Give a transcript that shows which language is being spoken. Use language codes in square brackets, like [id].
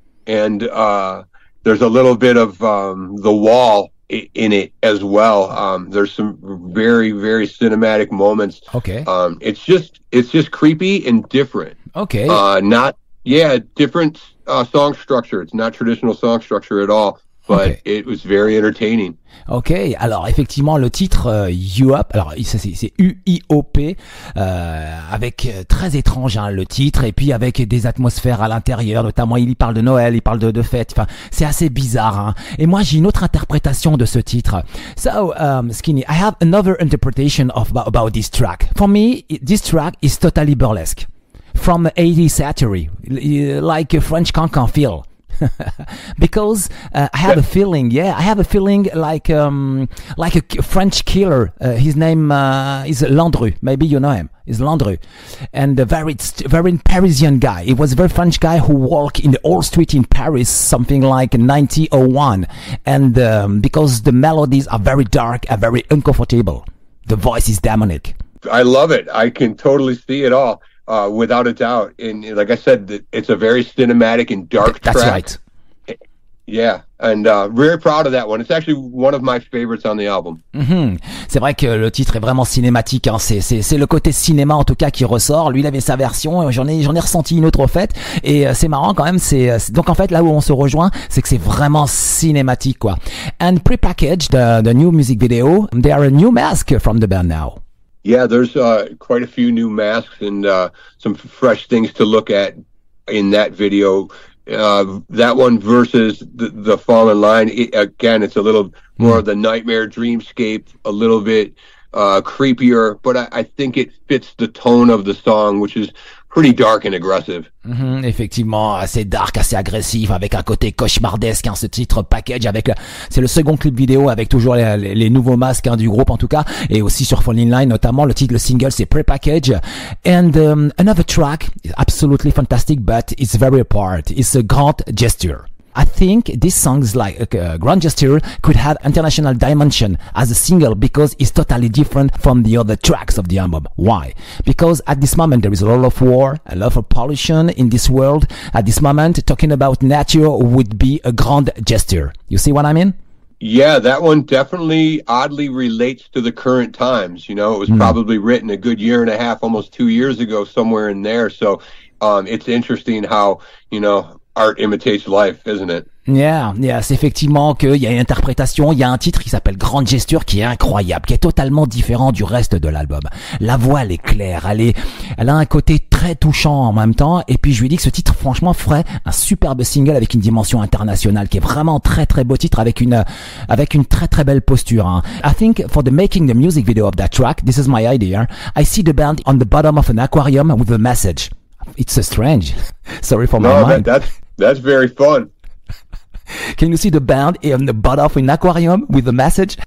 [en] And there's a little bit of The Wall in it as well. There's some very, very cinematic moments. Okay. It's just creepy and different. Okay. Different song structure. It's not traditional song structure at all, but okay. It was very entertaining. [fr] Ok, alors effectivement le titre UIOP, alors c'est UIOP, avec très étrange hein, le titre, et puis avec des atmosphères à l'intérieur, notamment il y parle de Noël, il parle de fêtes, enfin c'est assez bizarre. Hein. Et moi j'ai une autre interprétation de ce titre. [en] So Skinny, I have another interpretation of about this track. For me, this track is totally burlesque, from 80s century, like a French cancan feel. Because I have a feeling, yeah, I have a feeling like a French killer. His name is Landru. Maybe you know him. Is Landru, and a very Parisian guy. He was a very French guy who walked in the old street in Paris, something like 1901. And because the melodies are very dark and very uncomfortable, the voice is demonic. I love it. I can totally see it all. Without a doubt. And like I said, it's a very cinematic and dark track. That's right. Yeah. And very proud of that one. It's actually one of my favorites on the album. Mm-hmm. [fr] C'est vrai que le titre est vraiment cinématique. Hein. C'est le côté cinéma en tout cas qui ressort. Lui, il avait sa version. J'en ai ressenti une autre au fait. Et c'est marrant quand même. C'est donc en fait là où on se rejoint, c'est que c'est vraiment cinématique quoi. [en] And prepackaged the new music video. There are a new mask from the band now. Yeah, there's quite a few new masks and some fresh things to look at in that video. That one versus the Fallen Line, again, it's a little more of the nightmare dreamscape, a little bit creepier, but I think it fits the tone of the song, which is pretty dark and aggressive. [fr] Mm-hmm, effectivement, assez dark, assez agressif, avec un côté cauchemardesque, hein, ce titre package, avec c'est le second clip vidéo, avec toujours les nouveaux masques hein, du groupe en tout cas, et aussi sur Falling Line notamment, le titre, le single, c'est Prepackage. [en] And another track is absolutely fantastic, but it's very apart, it's a grand gesture. I think this song's like a grand gesture could have international dimension as a single because it's totally different from the other tracks of the album. Why? Because at this moment there is a lot of war, a lot of pollution in this world. At this moment, talking about nature would be a grand gesture. You see what I mean? Yeah, that one definitely oddly relates to the current times. You know, it was probably written a good year and a half, almost 2 years ago, somewhere in there. So it's interesting how, you know, art imitates life, isn't it? [fr] Yeah, yeah, c'est effectivement qu'il y a une interprétation, il y a un titre qui s'appelle Grande Gesture qui est incroyable, qui est totalement différent du reste de l'album. La voix, elle est claire, elle a un côté très touchant en même temps, et puis je lui dis que ce titre, franchement, ferait un superbe single avec une dimension internationale, qui est vraiment très très beau titre, avec une très très belle posture. Hein. [en] I think for the making the music video of that track, this is my idea, I see the band on the bottom of an aquarium with a message. It's strange. Sorry for my mind. That's very fun. Can you see the band in the bottom of an aquarium with the message?